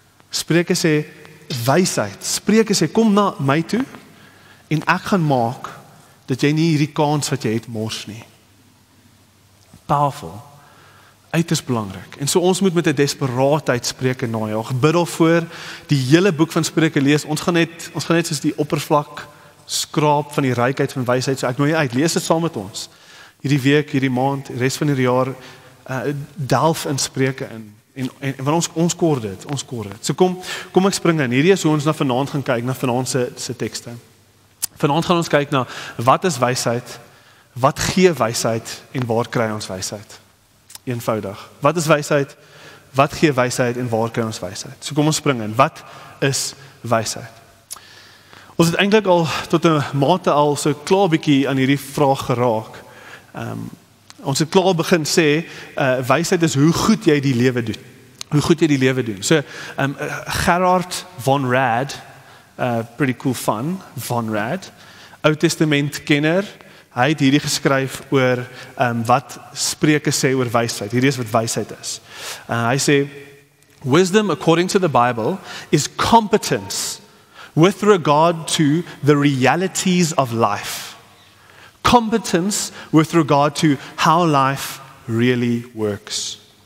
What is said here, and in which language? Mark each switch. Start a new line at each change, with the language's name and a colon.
Afrikaans: Spreuke sê, wysheid. Spreuke sê, kom na my toe, en ek gaan maak dat jy nie hierdie kans wat jy het mors nie. Powerful. Uiters belangrik. En so ons moet met 'n desperaatheid Spreuke najaag. Bid voor die hele boek van Spreuke lees. Ons gaan net soos die oppervlak skraap van die rykheid van wysheid. So ek nooi jou uit, lees dit saam met ons. Hierdie week, hierdie maand, res van hierdie jaar, delf in Spreuke in. En want ons kort dit. So kom ek spring in. Hierdie is hoe ons na vanaand gaan kyk, na vanaand se tekste. Vanaand gaan ons kyk na, wat is wysheid, wat gee wysheid, en waar kry ons wysheid? Eenvoudig. Wat is wysheid, wat gee wysheid, en waar kry ons wysheid? So kom ons spring in. Wat is wysheid? Ons het eintlik al tot 'n mate al so klaar bietjie aan hierdie vraag geraak. Ons het klaar begin sê, wysheid is hoe goed jy die lewe doen. Hoe goed jy die lewe doen. So, Gerard von Rad,
English: pretty cool fun,
Afrikaans: von Rad, Oud Testament kenner, hy het hierdie geskryf oor wat Spreuke sê oor wysheid. Hierdie is wat wysheid is. Hy sê,
English: wisdom according to the Bible is competence with regard to the realities of life. Competence with regard to how life really works.